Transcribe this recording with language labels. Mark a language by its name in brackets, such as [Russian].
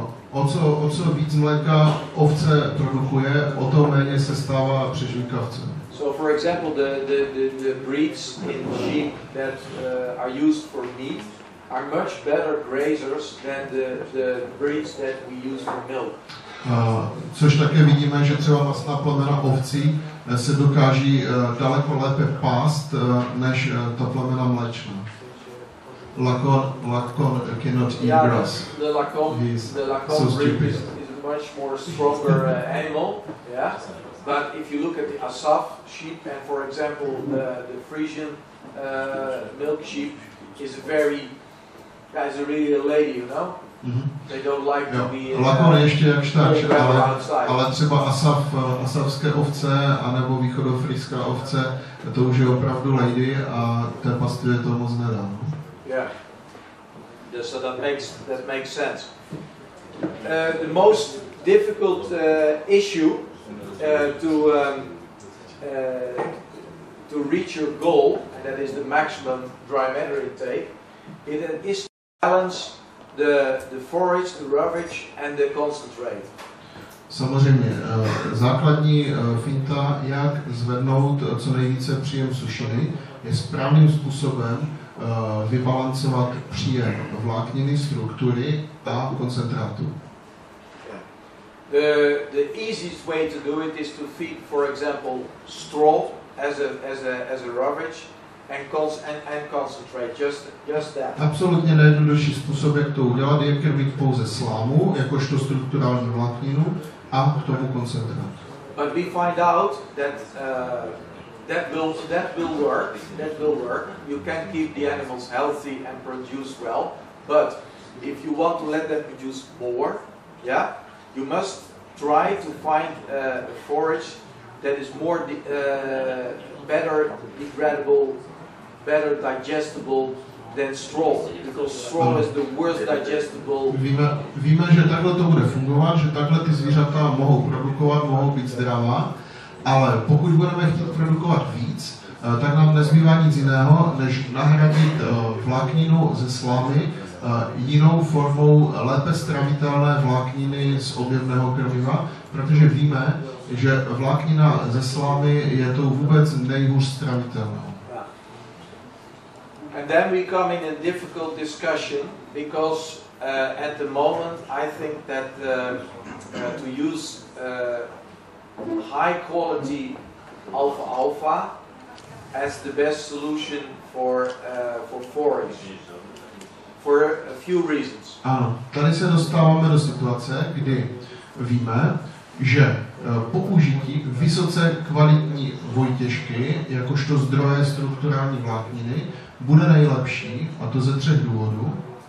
[Czech] O co víc mléka ovce produkuje, o to méně se stává přežvýkavce. [English] So for example, the breeds in sheep that are used for meat are much better grazers than the breeds that we use for milk. [Czech] Což také vidíme, že třeba masná plemena ovcí se dokáží daleko lépe pást než ta plemena mléčná. [English] Lacon cannot eat grass. The Lacon is a much more stronger animal. Yeah, but if you look at the Asaf sheep and, for example, the Frisian milk sheep, is a very guys are really a lady, you know. Mm-hmm. They don't like to be. [Czech] Lacon ještě jak štáč, ale třeba asavské ovce a nebo východofrýská ovce, to už je opravdu lady a ta pastvě to moc nedá. [English] Yeah. So that makes sense. The most difficult issue to reach your goal, and that is the maximum dry matter intake, is to balance the forage, the roughage, and the concentrate. [Czech] Samozřejmě, základní finta, jak zvednout co nejvíce příjem sušeny, je správným způsobem vybalancovat příjem vlákniny, struktury a koncentrátu. [English] The easiest way to do it is to feed, for example, straw as a roughage and concentrate. Just that. [Czech] Absolutně nejjednodušší způsob, jak to udělat, je krmit pouze slámu, jakožto strukturální vlákninu, a k tomu koncentrát. [English] But we find out that that will work. You can keep the animals healthy and produce well, but if you want to let them produce more, yeah, you must try to find a forage that is more better degradable, better digestible than straw, because straw is the worst digestible. [Czech] Víme, že takhle to bude fungovat, že takhle ty zvířata mohou produkovat, mohou být zdravá. Ale pokud budeme chtít produkovat víc, tak nám nezbývá nic jiného, než nahradit vlákninu ze slamy jinou formou lépe stravitelné vlákniny z objemného krmiva, protože víme, že vláknina ze slamy je tou vůbec nejhůř stravitelnou. [English] And then we come in a difficult discussion, because at the moment I think that to use high quality alfalfa as the best solution for forage for a few reasons. [Czech] Ano, tady se dostáváme do situace, kdy víme, že použití vysoce kvalitní vojtěžky jakožto zdroje strukturální vlákniny bude nejlepší, a to ze třech důvodů.